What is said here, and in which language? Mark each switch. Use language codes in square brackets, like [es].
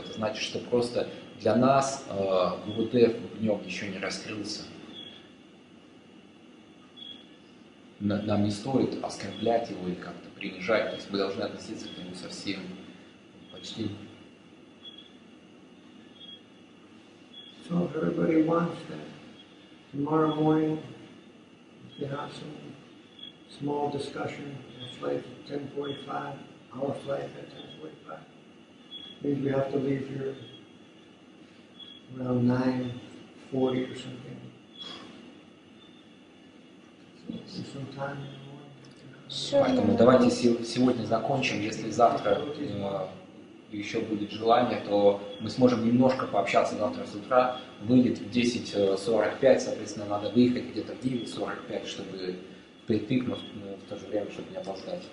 [ru] Это значит, что просто для нас ВВДФ в нем еще не раскрылся. Нам не стоит оскорблять его и как-то принижать. То есть мы должны относиться к нему со всем почтением. [en] So if everybody wants that, tomorrow morning, if you have some small discussion, a flight at 10:45, our flight at 10:45, maybe we have to leave here around 9:40 or something. [ru] Поэтому давайте сегодня закончим. Если завтра еще будет желание, то мы сможем немножко пообщаться завтра с утра. Вылет в 10:45, соответственно, надо выехать где-то в 9:45, чтобы припик, но в то же время, чтобы не опоздать.